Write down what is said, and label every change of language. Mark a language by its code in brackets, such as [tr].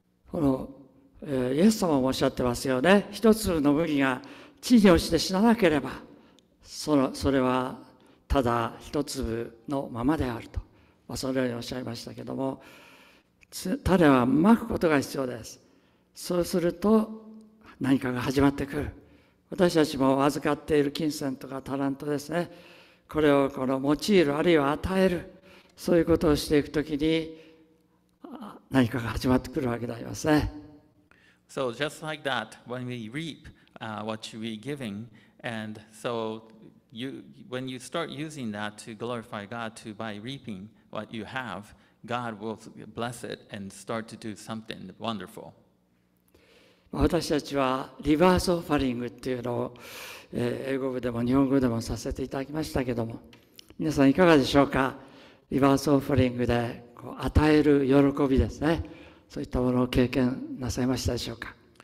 [ja] この、イエス様もおっしゃってますよね。一粒の麦が地に落ちて死ななければ、それはただ一粒のままであると、まあ、そのようにおっしゃいましたけども、種はまくことが必要です。そうすると何かが始まってくる。私たちも預かっている金銭とかタラントですね。これをこの用いる、あるいは与える、そういうことをしていくときに、何かが始まってくるわけでありますね。 [en] So just like that, when we reap, what we giving, and so you, when you start using that to glorify God, to by reaping what you have, God will bless it and start to do something wonderful. [ja] 私たちはリバースオファリングっていうのを、英語部でも日本語でもさせていただきましたけども、皆さんいかがでしょうか？リバースオファリングで与える喜びですね。そういったものを経験なさいましたでしょうか。